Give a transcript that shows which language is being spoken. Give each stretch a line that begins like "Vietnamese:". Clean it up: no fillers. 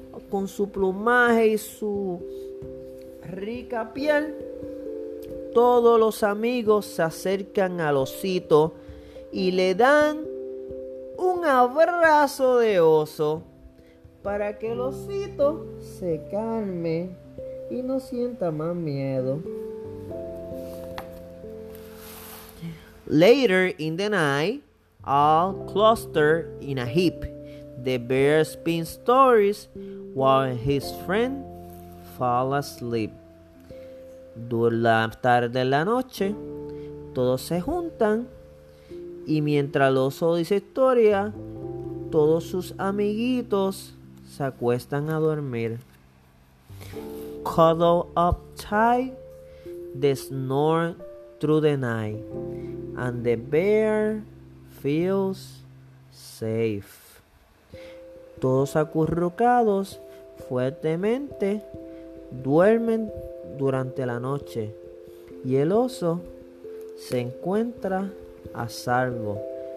Spanish: Con su plumaje y su rica piel, todos los amigos se acercan al osito y le dan un abrazo de oso para que el osito se calme y no sienta más miedo.
English: Later in the night, all cluster in a heap. The bear spins stories while his friend falls asleep.
Spanish: Durante tarde la noche, todos se juntan y mientras el oso dice historia, todos sus amiguitos se acuestan a dormir.
English: Cuddle up tight, they snore through the night, and the bear feels safe.
Spanish: Todos acurrucados fuertemente duermen durante la noche y el oso se encuentra a salvo.